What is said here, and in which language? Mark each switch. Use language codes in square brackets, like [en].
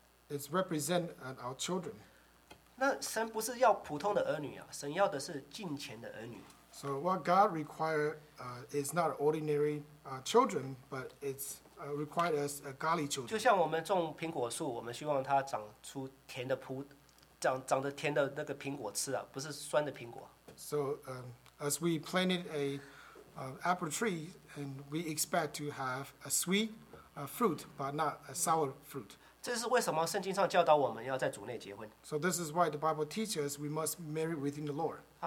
[en] It's represent our children. [zh] 那神不是要普通的儿女啊, 神要的是敬虔的儿女。 [en] So what God requires is not ordinary children, but it's required as a godly children. [zh] 就像我们种苹果树, 我们希望它长出甜的那个苹果吃啊, 不是酸的苹果。 [en] So as we planted an apple tree, and we expect to have a sweet fruit, but not a sour fruit. [zh] 这是为什么圣经上教导我们要在主内结婚。 [en] So this is why the Bible teaches us we must marry within the Lord.